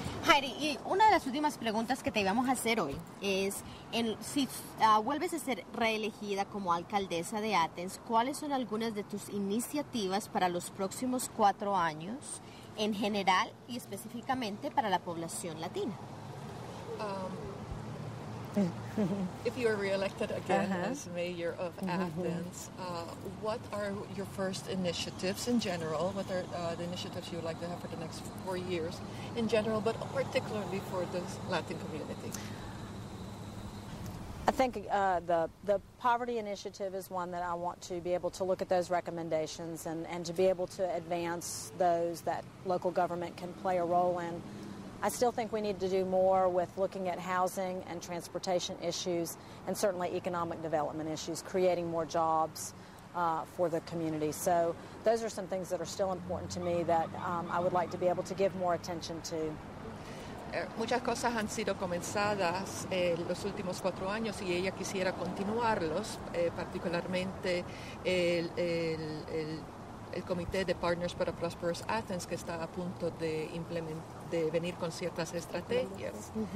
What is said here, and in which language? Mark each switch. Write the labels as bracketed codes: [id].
[es] Heidi, y una de las últimas preguntas que te íbamos a hacer hoy es, si vuelves a ser reelegida como alcaldesa de Athens, ¿cuáles son algunas de tus iniciativas para los próximos 4 años en general y específicamente para la población latina? [en] If you are reelected again as mayor of Athens, what are your first initiatives in general? What are the initiatives you would like to have for the next 4 years in general, but particularly for the Latin community? I think the poverty initiative is one that I want to be able to look at those recommendations and to be able to advance those that local government can play a role in. I still think we need to do more with looking at housing and transportation issues and certainly economic development issues, creating more jobs for the community. So those are some things that are still important to me that I would like to be able to give more attention to. [es] Muchas cosas han sido comenzadas los últimos 4 años y ella quisiera continuarlos, particularmente el Comité de Partners para Prosperous Athens, que está a punto de implementar, de venir con ciertas estrategias.